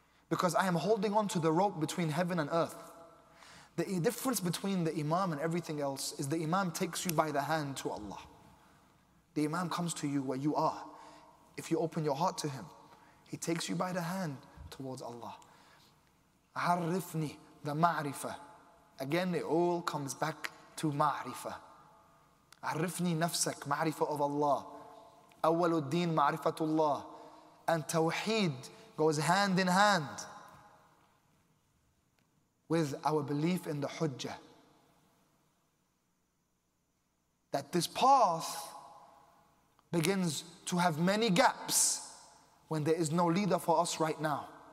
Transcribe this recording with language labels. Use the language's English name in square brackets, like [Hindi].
[English] Because I am holding on to the rope between heaven and earth. The difference between the imam and everything else is the imam takes you by the hand to Allah. The imam comes to you where you are. If you open your heart to him, he takes you by the hand towards Allah. [Arabic] عرفني the معرفة. [English] Again, it all comes back to معرفة. [Arabic] عرفني نفسك معرفة [English] of Allah. [Arabic] أول الدين معرفة الله. [English] And توحيد goes hand in hand with our belief in the Hujjah. That this path begins to have many gaps when there is no leader for us right now.